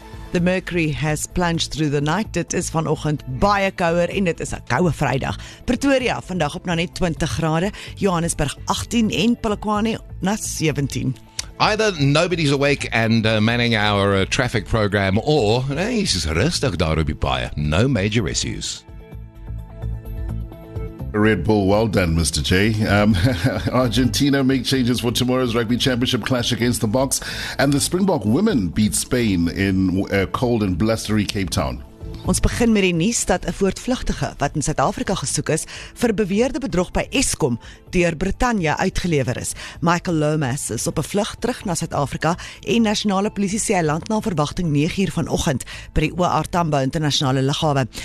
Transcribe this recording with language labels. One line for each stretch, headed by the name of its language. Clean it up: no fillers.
English: The mercury has plunged through the night.
Afrikaans: Dit is vanoggend baie kouer en dit is 'n koue Vrydag. Pretoria vandag op na net 20 grade, Johannesburg 18 en Polokwane na 17.
English: Either nobody's awake and manning our traffic program or it's just
Afrikaans: rustig daar op die baie.
English: No major issues. Red Bull, well done, Mr. J. Argentina make changes for tomorrow's Rugby Championship clash against the Boks, and the Springbok women beat Spain in cold and blustery Cape Town.
Afrikaans: Ons begin met die nuus dat 'n voortvlugtige wat in Suid-Afrika gesoek is vir beweerde bedrog by Eskom deur Brittanje uitgelewer is. Michael Lomas is op 'n vlug terug na Suid-Afrika en nasionale polisie sê hy land na verwagting 9:00 vanoggend by die OR Tambo internasionale lughawe.